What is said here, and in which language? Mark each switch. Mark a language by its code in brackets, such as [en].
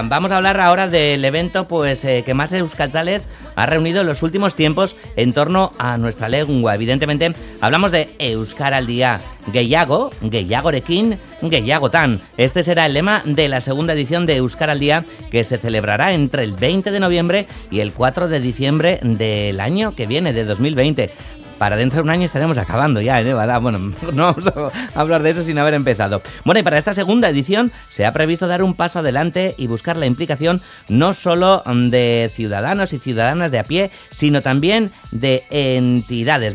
[es] Vamos a hablar ahora del evento que más euskaltzales ha reunido en los últimos tiempos en torno a nuestra lengua. Evidentemente, hablamos de Euskara al Día. [eu] Gehiago, gehiagorekin, gehiagotan. [es] Este será el lema de la segunda edición de Euskara al Día, que se celebrará entre el 20 de noviembre y el 4 de diciembre del año que viene, de 2020. Para dentro de un año estaremos acabando ya, ¿eh? Bueno, no vamos a hablar de eso sin haber empezado. Bueno, y para esta segunda edición se ha previsto dar un paso adelante y buscar la implicación no solo de ciudadanos y ciudadanas de a pie, sino también de entidades.